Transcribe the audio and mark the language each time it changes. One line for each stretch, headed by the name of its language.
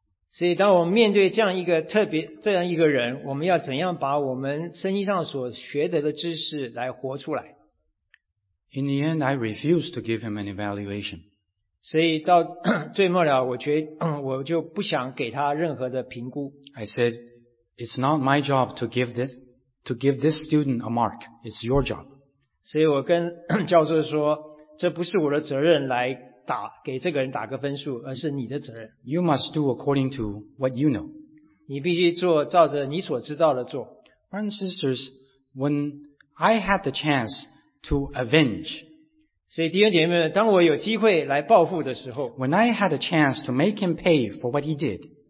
Chinese: 所以当我们面对这样一个特别这样一个人，我们要怎样把我们圣经上所学得的知识来活出来？
English: In the end, I refused to give him an evaluation.
Chinese: 所以到最末了，我觉得我就不想给他任何的评估。
English: I said, it's not my job to give this student a mark. It's your job.
Chinese: 所以我跟教授说，这不是我的责任来给这个人打个分数，而是你的责任。
English: You must do according to what you know.
Chinese: 你必须做照着你所知道的做。
English: Brothers and sisters, when I had the chance,To avenge.
Chinese: 所以弟兄姐妹们，当我有机会来报复的时候
English: ，When I had a chance to make him pay for what he did，